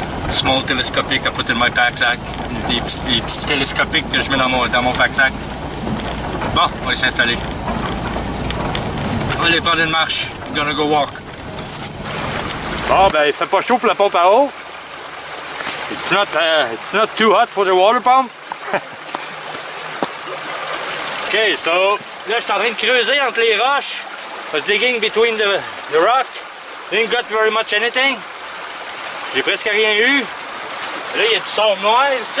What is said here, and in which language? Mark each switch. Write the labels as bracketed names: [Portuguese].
[English] Small telescopic I put in my pack sack. [French] Des petits télescopiques que je mets dans mon pack sack. Bon, on va s'installer. Allez, prendre une marche. [English] I'm gonna go walk. [French] Bon, ben, il fait pas chaud pour la pompe à eau. [English] It's not too hot for the water pump. [French] Okay, so, là, je suis en train de creuser entre les roches. [English] I was digging between the rock. Didn't got very much anything. [French] J'ai presque rien eu. Là, il y a du sable noir ici.